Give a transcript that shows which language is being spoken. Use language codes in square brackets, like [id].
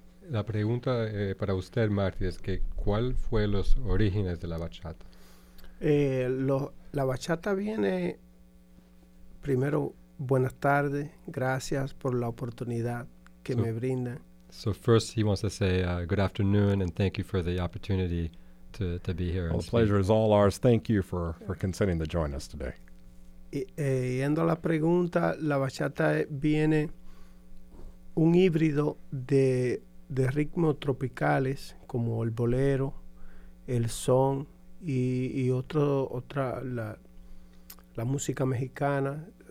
[es] La pregunta para usted, Marty, es que ¿cuál fue los orígenes de la bachata? La bachata viene, primero, buenas tardes, gracias por la oportunidad que me brindan. [en] So first he wants to say good afternoon and thank you for the opportunity to be here. Well, the pleasure is all ours. Thank you for consenting to join us today. [es] Yendo a la pregunta, la bachata viene un híbrido de ritmos tropicales como el bolero, el son y la música mexicana.